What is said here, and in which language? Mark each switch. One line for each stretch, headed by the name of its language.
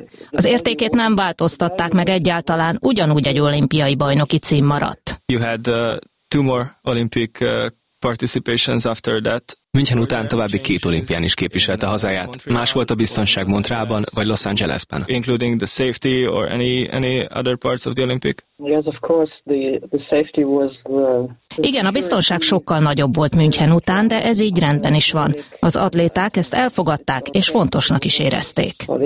Hungarian: Az értékét nem változtatták meg egyáltalán, ugyanúgy egy olimpiai bajnoki cím maradt.
English: You had two more Olympic participations after that.
Hungarian: München után további két olimpián is képviselte hazáját. Más volt a biztonság Montrealban vagy Los Angelesben?
English: Including the safety or any other parts of the Olympic? Yes, of course, the safety was the...
Hungarian: Igen, a biztonság sokkal nagyobb volt München után, de ez így rendben is van. Az atléták ezt elfogadták és fontosnak is érezték.